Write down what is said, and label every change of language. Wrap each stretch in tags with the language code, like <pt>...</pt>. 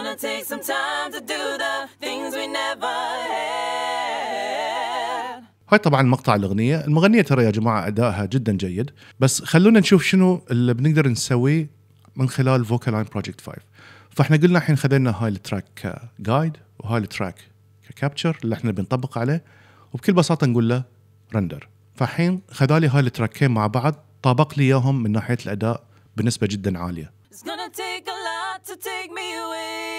<en>Take some time to do the things we never had.</en> <ar>هاي طبعا مقطع الأغنية. المغنية ترى يا جماعة أداءها جدا جيد، بس خلونا نشوف شنو اللي بنقدر نسويه من خلال Vocaline Project 5. فاحنا قلنا الحين خذينا هاي التراك كجايد وهاي التراك ككابتشر اللي احنا بنطبق عليه، وبكل بساطة نقول له رندر. فحين خذالي هاي التراكين مع بعض، طابق لي اياهم من ناحية الأداء بنسبة جدا عالية.</ar> <en>It's gonna take a lot to take me away.</en>